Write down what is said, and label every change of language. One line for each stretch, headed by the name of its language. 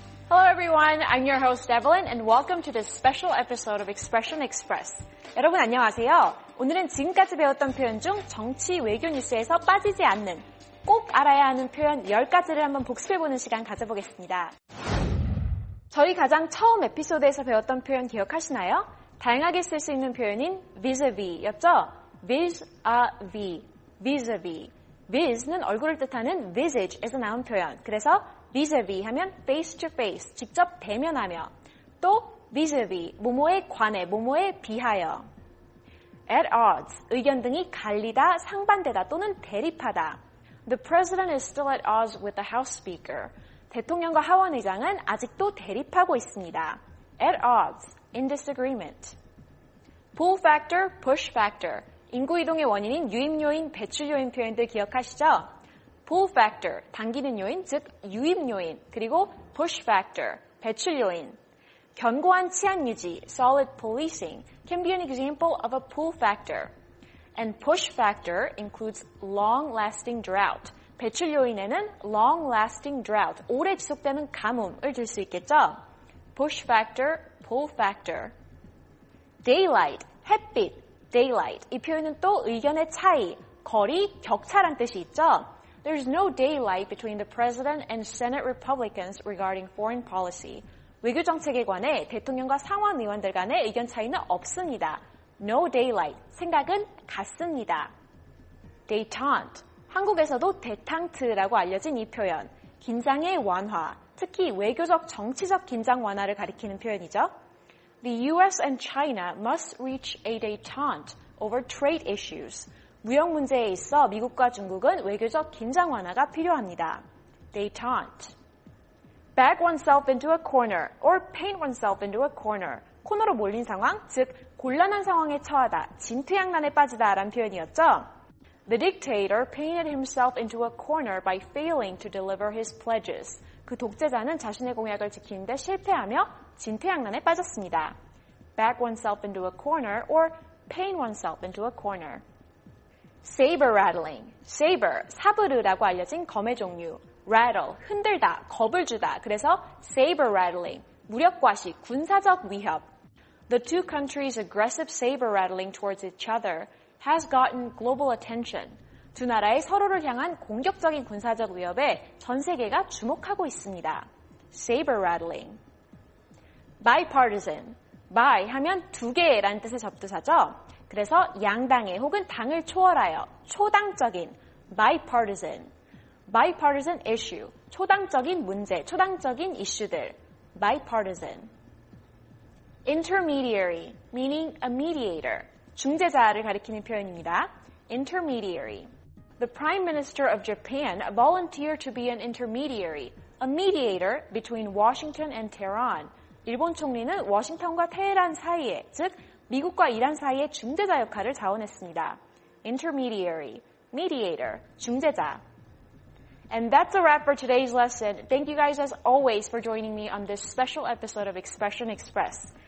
English: 여러분, I'm your host Evelyn and welcome to this special episode of Expression Express.
Korean: 여러분 안녕하세요. 오늘은 지금까지 배웠던 표현 중 정치 외교 뉴스에서 빠지지 않는 꼭 알아야 하는 표현 10가지를 한번 복습해보는 시간 가져보겠습니다. 저희 가장 처음 에피소드에서 배웠던 표현 기억하시나요? 다양하게 쓸 수 있는 표현인 vis-a-vis였죠?
English: vis-a-vis, vis-a-vis.
Korean: vis는 얼굴을 뜻하는 visage에서 나온 표현. 그래서 vis-a-vis 하면 face-to-face, 직접 대면하며. 또 vis-a-vis, 뭐뭐에 관해, 뭐뭐에 비하여. at odds, 의견 등이 갈리다, 상반되다 또는 대립하다.
English: The president is still at odds with the House Speaker.
Korean: 대통령과 하원의장은 아직도 대립하고 있습니다.
English: At odds, in disagreement. Pull factor, push factor.
Korean: 인구 이동의 원인인 유입 요인, 배출 요인 표현들 기억하시죠? Pull factor, 당기는 요인, 즉 유입 요인. 그리고 push factor, 배출 요인. 견고한 치안 유지,
English: solid policing, can be an example of a pull factor. And push factor includes long-lasting drought.
Korean: 배출 요인에는 long-lasting drought, 오래 지속되는 가뭄을 들 수 있겠죠?
English: Push factor, pull factor. Daylight, 햇빛, daylight.
Korean: 이 표현은 또 의견의 차이, 거리, 격차란 뜻이 있죠?
English: There's no daylight between the president and Senate Republicans regarding foreign policy.
Korean: 외교 정책에 관해 대통령과 상원 의원들 간의 의견 차이는 없습니다.
English: No daylight.
Korean: 생각은 같습니다.
English: Détente.
Korean: 한국에서도 détente라고 알려진 이 표현. 긴장의 완화, 특히 외교적 정치적 긴장 완화를 가리키는 표현이죠.
English: The US and China must reach a détente over trade issues.
Korean: 무역 문제에 있어 미국과 중국은 외교적 긴장 완화가 필요합니다.
English: Détente. Back oneself into a corner or paint oneself into a corner.
Korean: 코너로 몰린 상황, 즉 곤란한 상황에 처하다, 진퇴양난에 빠지다라는 표현이었죠.
English: The dictator painted himself into a corner by failing to deliver his pledges.
Korean: 그 독재자는 자신의 공약을 지키는데 실패하며 진퇴양난에 빠졌습니다.
English: Back oneself into a corner or paint oneself into a corner. Saber rattling.
Korean: Saber, 사브르라고 알려진 검의 종류. Rattle, 흔들다, 겁을 주다. 그래서 saber rattling, 무력과시, 군사적 위협.
English: The two countries' aggressive saber rattling towards each other has gotten global attention.
Korean: 두 나라의 서로를 향한 공격적인 군사적 위협에 전 세계가 주목하고 있습니다.
English: Saber rattling. Bipartisan.
Korean: Bi 하면 두 개라는 뜻의 접두사죠. 그래서 양당의 혹은 당을 초월하여 초당적인 bipartisan.
English: Bipartisan issue.
Korean: 초당적인 문제, 초당적인 이슈들.
English: Bipartisan. Intermediary, meaning a mediator.
Korean: 중재자를 가리키는 표현입니다.
English: Intermediary. The Prime Minister of Japan volunteered to be an intermediary, a mediator between Washington and Tehran.
Korean: 일본 총리는 워싱턴과 테헤란 사이에, 즉 미국과 이란 사이에 중재자 역할을 자원했습니다.
English: Intermediary, mediator, 중재자. And that's a wrap for today's lesson. Thank you guys as always for joining me on this special episode of Expression Express.